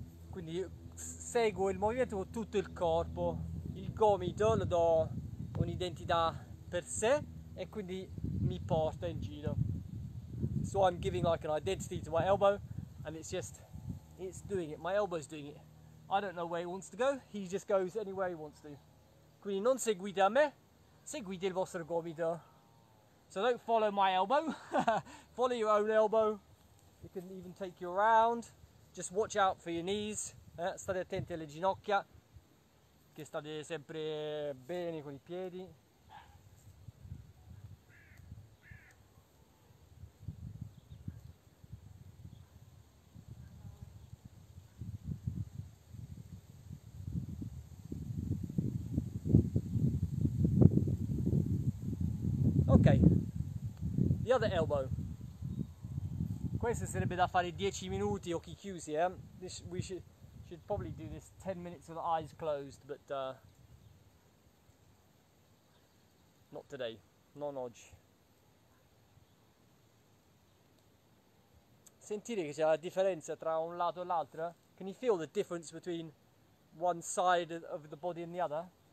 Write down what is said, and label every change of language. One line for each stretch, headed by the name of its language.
Italian: Quindi seguo il movimento con tutto il corpo. Il gomito lo do un'identità per sé e quindi mi porta in giro.
English: So I'm giving like an identity to my elbow, and it's just, it's doing it, my elbow's doing it. I don't know where he wants to go, he just goes anywhere he wants to.
Italian: Quindi non seguite a me, seguite il vostro gomito.
English: So don't follow my elbow, follow your own elbow. It can even take you around. Just watch out for your knees,
Italian: state attenti alle ginocchia, che state sempre bene con i piedi.
English: The other elbow.
Italian: Questo sarebbe da fare 10 minuti occhi chiusi, eh?
English: This, we should probably do this 10 minutes with the eyes closed, but not today,
Italian: non oggi. Sentite che c'è la differenza tra un lato e l'altro?
English: Can you feel the difference between one side of the body and the other?